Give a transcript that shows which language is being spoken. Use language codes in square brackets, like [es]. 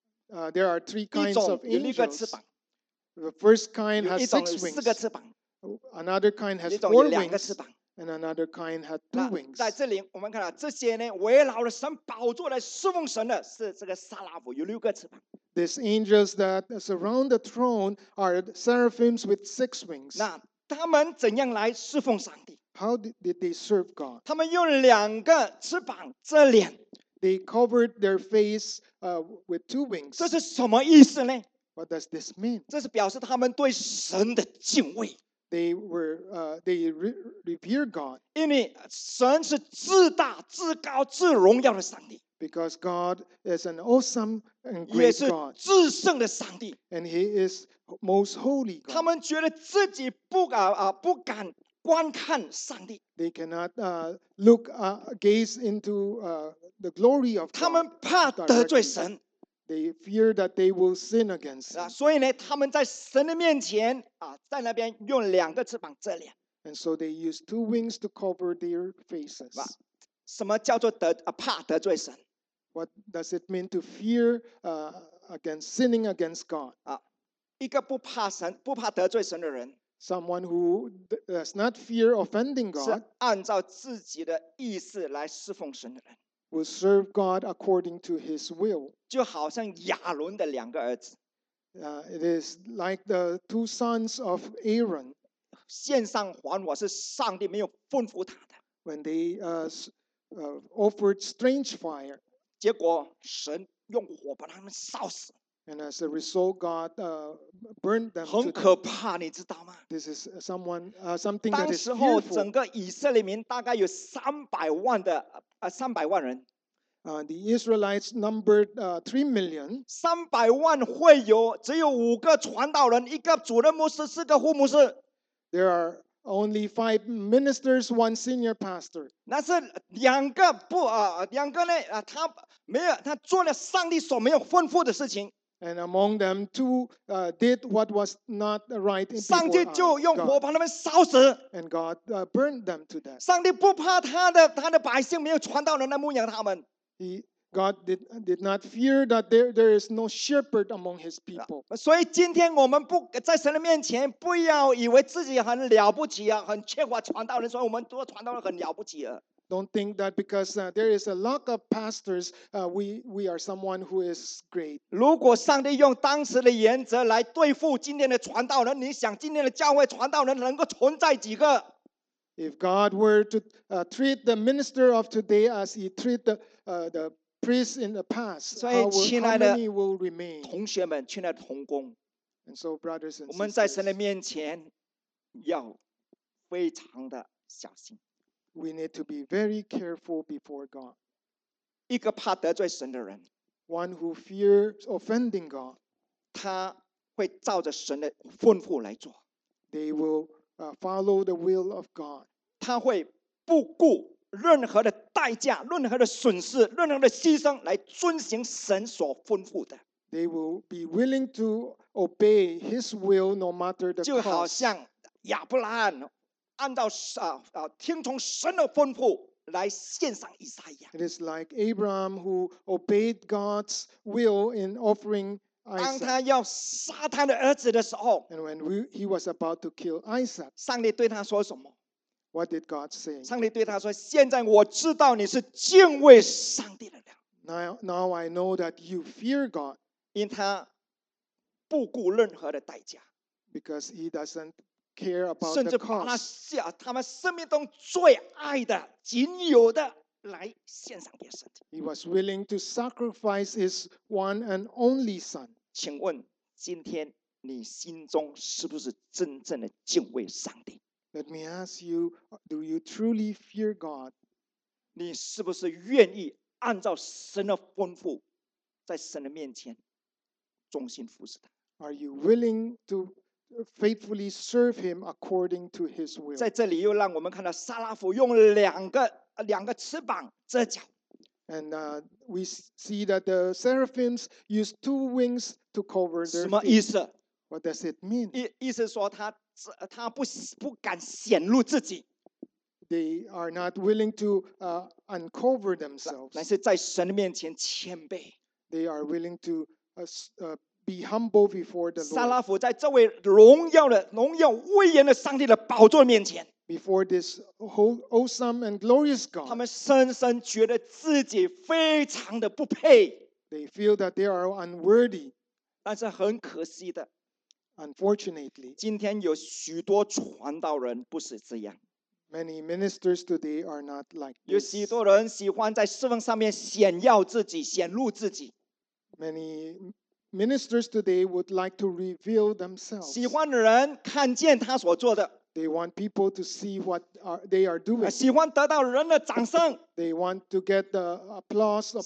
[en] There are three kinds of angels. [zh] 一种有六个翅膀。 [en] The first kind has six wings. [zh] 四个翅膀。 [en] Another kind has four wings. [zh] 一种有两个翅膀。 [en] And another kind had two wings. [zh] 在这里，我们看到这些呢，围绕着神宝座来侍奉神的是这个撒拉佛，有六个翅膀。 [en] These angels that surround the throne are seraphims with six wings. [zh] 那他们怎样来侍奉上帝 [en] ？How did they serve God? [zh] 他们用两个翅膀遮脸。 [en] They covered their face with two wings. [zh] 这是什么意思呢 [en] ？What does this mean? [zh] 这是表示他们对神的敬畏。 [en] They revere God. [zh] 因为神是至大、至高、至荣耀的上帝。 [en] Because God is an awesome and great God. [zh] 也是至圣的上帝。 [en] And He is most holy God. [zh] 他们觉得自己不敢观看上帝。 [en] They cannot gaze into the glory of God. [zh] 他们怕得罪神。 [en] They fear that they will sin against him. [zh] 所以呢，他们在神的面前在那边用两个翅膀遮脸。 [en] And so they use two wings to cover their faces. [zh] 什么叫做怕得罪神 [en] ？What does it mean to fear against sinning against God? [zh] 一个不怕神、不怕得罪神的人 [en] ，someone who does not fear offending God， [zh] 是按照自己的意思来侍奉神的人。 [en] Will serve God according to His will. [zh] 就好像亚伦的两个儿子。 [en] It is like the two sons of Aaron. [zh] 献上还我是上帝没有吩咐他的。 [en] When they offered strange fire, [zh] 结果神用火把他们烧死。 [en] And as a result, God burned them. [zh] 很可怕，你知道吗 [en] ？This is something that is fearful. [zh] 当时候，整个以色列民大概有300万人。 [en] The Israelites numbered 3 million. [zh] 三百万会有只有五个传道人，一个主任牧师，四个副牧师。 [en] There are only 5 ministers, 1 senior pastor. [zh] 那是两个不两个呢他没有他做了上帝所没有吩咐的事情。 [en] And among them, two did what was not right in God. [zh] 上帝就用火把他们烧死。 [en] And God burned them to death. [zh] 上帝不怕他的百姓没有传道人来牧养他们。 [en] He God did not fear that there is no shepherd among his people. [zh] 所以今天我们不在神的面前，不要以为自己很了不起啊，很缺乏传道人，所以我们做传道人很了不起了。 [en] Don't think that because there is a lack of pastors, we are someone who is great. [zh] 如果上帝用当时的原则来对付今天的传道人，你想今天的教会传道人能够存在几个？ [en] If God were to treat the minister of today as he treated the priests in the past, how many will remain? [zh] 同学们，亲爱的同工， [en] and so brothers and sisters, [zh] 我们在神的面前要非常的小心。 [en] We need to be very careful before God. [zh] 一个怕得罪神的人， [en] one who fears offending God, [zh] 他会照着神的吩咐来做。 [en] They will follow the will of God. [zh] 他会不顾任何的代价、任何的损失、任何的牺牲来遵行神所吩咐的。 [en] They will be willing to obey His will no matter the cost. [zh] 就好像亚伯拉罕。按照听从神的吩咐来献上以撒一样。 [en] It is like Abraham who obeyed God's will in offering Isaac. [zh] 当他要杀他的儿子的时候 [en] ，And when he was about to kill Isaac, [zh] 上帝对他说什么 [en] ？What did God say? [zh] 上帝对他说：“现在我知道你是敬畏上帝的人。 [en] Now I know that you fear God, [zh] 因他不顾任何的代价 [en] ，because he doesn't. Care about the cost. [zh] 甚至把那下他们生命中最爱的、仅有的来献上给神。 [en] He was willing to sacrifice his one and only son. [zh] 请问今天你心中是不是真正的敬畏上帝 [en] ？Let me ask you, do you truly fear God? [zh] 你是不是愿意按照神的吩咐，在神的面前忠心服侍他 [en] ？Are you willing to? Faithfully serve him according to his will. [zh] 在这里又让我们看到撒拉弗用两个翅膀遮脚。 [en] And we see that the seraphims used two wings to cover their feet. [zh] 什么意思 [en] ？What does it mean? [zh] 意思说他不敢显露自己。 [en] They are not willing to uncover themselves. [zh] 乃是在神面前谦卑。 [en] They are willing to be humble before the Lord. [zh] 撒拉弗在这位荣耀威严的上帝的宝座面前 [en] before this whole awesome and glorious God, [zh] 他们深深觉得自己非常的不配 [en] they feel that they are unworthy. [zh] 但是很可惜的 [en] unfortunately, [zh] 今天有许多传道人不是这样 [en] many ministers today are not like this. [zh] 有许多人喜欢在侍奉上面显耀自己，显露自己 [en] Ministers today would like to reveal themselves. [zh] 喜欢的人看见他所做的。 [en] They want people to see what they are doing. [zh] 喜欢得到人的掌声。 [en] They want to get the applause of men.